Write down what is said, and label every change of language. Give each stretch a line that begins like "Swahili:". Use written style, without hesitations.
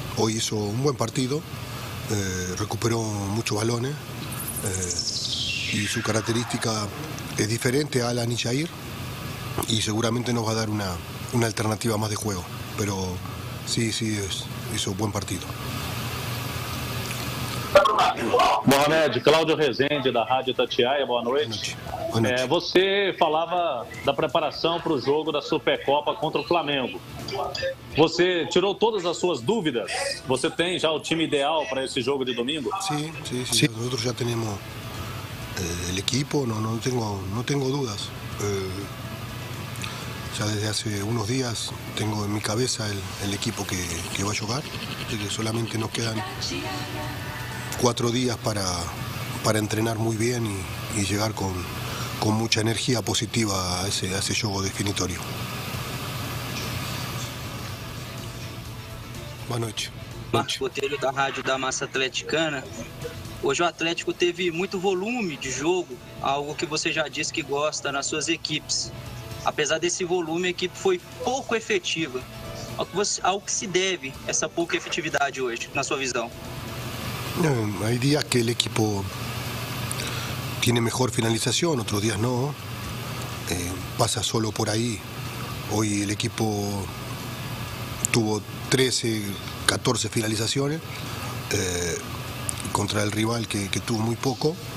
Spanish: Hoy hizo un buen partido, recuperó muchos balones y su característica es diferente a Alan Ishaír y seguramente nos va a dar una alternativa más de juego. Pero sí, hizo un buen partido.
Portuguese: Mohamed, Cláudio Rezende, da Rádio Itatiaia, boa noite. Boa noite. Você falava da preparação para o jogo da Supercopa contra o Flamengo. Você tirou todas as suas dúvidas? Você tem já o time ideal para esse jogo de domingo? Sim. Nós já temos o equipo, não tenho dúvidas.
Spanish: Já desde hace unos días tengo en mi cabeza el equipo que va a jugar, que solamente nos quedan 4 días para entrenar muy bien y llegar con mucha energía positiva a ese juego definitorio.
Portuguese: Boa noite. Marcos Botelho, da Rádio da Massa Atleticana. Hoje o Atlético teve muito volume de jogo, algo que você já disse que gosta nas suas equipes. Apesar desse volume, a equipe foi pouco efetiva. Ao que se deve essa pouca efetividade hoje, na sua visão?
Spanish: Hay días que el equipo tiene mejor finalización, otros días no. Pasa solo por ahí. Hoy el equipo tuvo 13, 14 finalizaciones contra el rival que tuvo muy poco.